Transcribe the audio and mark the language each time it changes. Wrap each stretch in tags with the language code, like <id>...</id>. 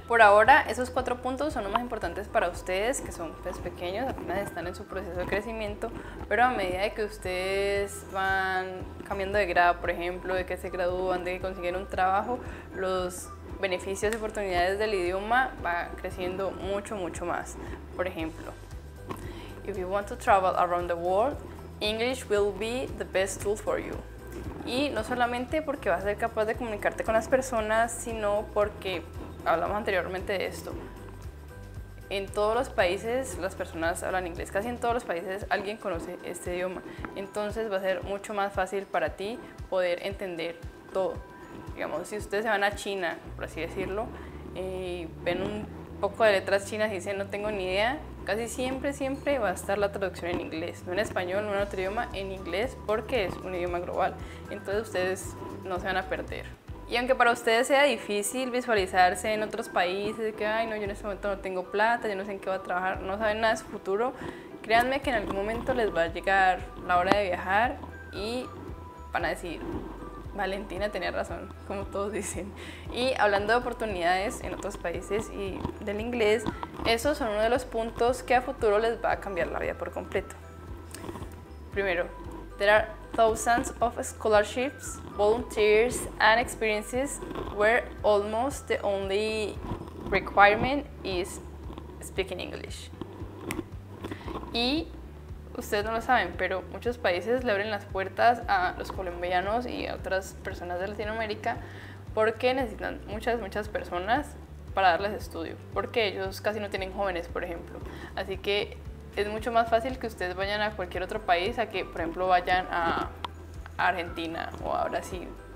<es>Por ahora, esos cuatro puntos son los más importantes para ustedes, que son pues, pequeños, apenas están en su proceso de crecimiento, pero a medida de que ustedes van cambiando de grado, por ejemplo, de que se gradúan, de que consiguen un trabajo, los beneficios y oportunidades del idioma van creciendo mucho, mucho más. Por ejemplo,</es> <en>if you want to travel around the world, English will be the best tool for you.</en> <es>Y no solamente porque vas a ser capaz de comunicarte con las personas, sino porque, hablamos anteriormente de esto, en todos los países las personas hablan inglés, casi en todos los países alguien conoce este idioma. Entonces va a ser mucho más fácil para ti poder entender todo. Digamos, si ustedes se van a China, por así decirlo, y ven un poco de letras chinas y dicen no tengo ni idea, casi siempre, siempre va a estar la traducción en inglés, no en español, no en otro idioma, en inglés, porque es un idioma global. Entonces ustedes no se van a perder. Y aunque para ustedes sea difícil visualizarse en otros países, que ay no, yo en este momento no tengo plata, yo no sé en qué voy a trabajar, no saben nada de su futuro, créanme que en algún momento les va a llegar la hora de viajar y van a decir, Valentina tenía razón, como todos dicen. Y hablando de oportunidades en otros países y del inglés, esos son uno de los puntos que a futuro les va a cambiar la vida por completo. Primero,</es> <en>there are thousands of scholarships, volunteers and experiences where almost the only requirement is speaking English.</en> <es>Y ustedes no lo saben, pero muchos países le abren las puertas a los colombianos y a otras personas de Latinoamérica porque necesitan muchas, muchas personas para darles estudio, porque ellos casi no tienen jóvenes, por ejemplo. Así que es mucho más fácil que ustedes vayan a cualquier otro país a que, por ejemplo, vayan a Argentina o a Brasil.</es>